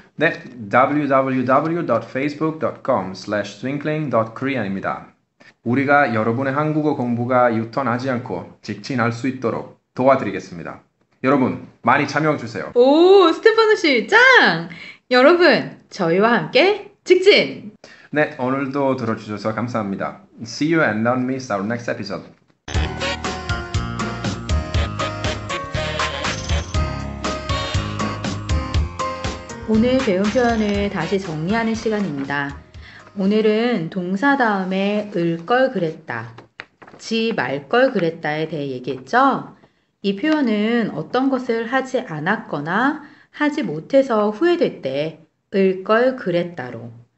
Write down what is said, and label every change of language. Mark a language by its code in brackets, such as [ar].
[ko] 네, www.facebook.com/twinkling.korean입니다. 우리가 여러분의 한국어 공부가 유턴하지 않고 직진할 수 있도록 도와드리겠습니다. 여러분, 많이 참여해 주세요. 오, 스테파노 씨, 짱! 여러분, 저희와 함께 직진! 네, 오늘도 들어주셔서 감사합니다. [en] See you and don't miss our next episode. [ko] Okay. 오늘 배운 표현을 다시 정리하는 시간입니다. 오늘은 동사 다음에 을걸 그랬다, 지말걸 그랬다에 대해 얘기했죠? 이 표현은 어떤 것을 하지 않았거나 하지 못해서 후회될 때, 을걸 그랬다로.